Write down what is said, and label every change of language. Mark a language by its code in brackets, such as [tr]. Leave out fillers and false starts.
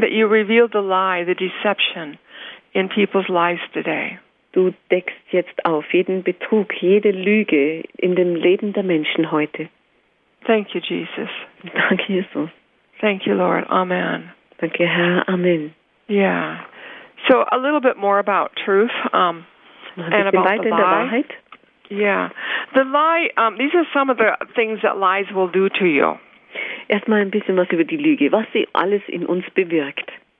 [en] That you revealed the lie, the deception in people's lives today. [de] Du deckst jetzt auf jeden Betrug, jede Lüge in dem Leben der Menschen heute. [en] Thank you, Jesus. [de] Danke, Jesus. [en] Thank you, Lord. Amen. [de] Danke, Herr. Amen. [en] Yeah. So a little bit more about truth and about the lie. Yeah. The lie, these are some of the things that lies will do to you. [de] Erstmal ein bisschen was über die Lüge, was sie alles in uns bewirkt.